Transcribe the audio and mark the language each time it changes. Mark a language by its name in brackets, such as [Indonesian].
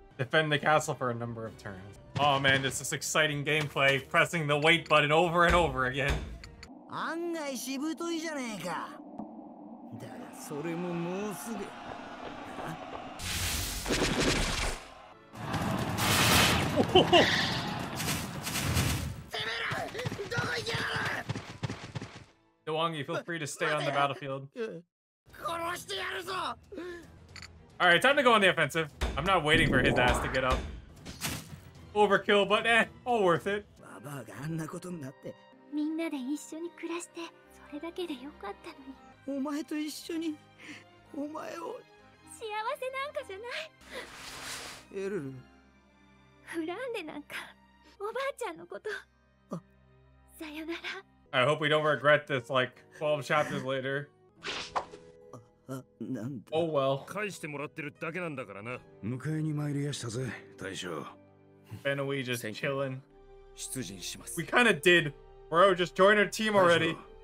[English] Defend the castle for a number of turns. Oh man, this is exciting gameplay. Pressing the wait button over and over again. [Japanese] 案外しぶといじゃねえか。だがそれももうすぐ。てめら、どこ行きやがる。 [English] ドワンギ、feel free to stay on the battlefield. [Japanese] 殺してやるぞ。 [English] All right, time to go on the offensive. I'm not waiting for his ass to get up. Overkill, but eh, all worth it. [Japanese] ババアがあんなことになって。みんなで一緒に暮らしてそれだけでよかったのに。お前と一緒にお前を幸せなんかじゃない。エルル恨んでなんかおばあちゃんのこと。あさよなら。 [English] I hope we don't regret this like 12 chapters later. [Japanese] なんだ。 [English] Oh well. [Japanese] 返してもらってるだけなんだからな。迎えに参りやしたぜ大将。 [English] Benoit just chilling. [Japanese] 出陣します。 [English] We kind of diddid. Bro, just join our team already.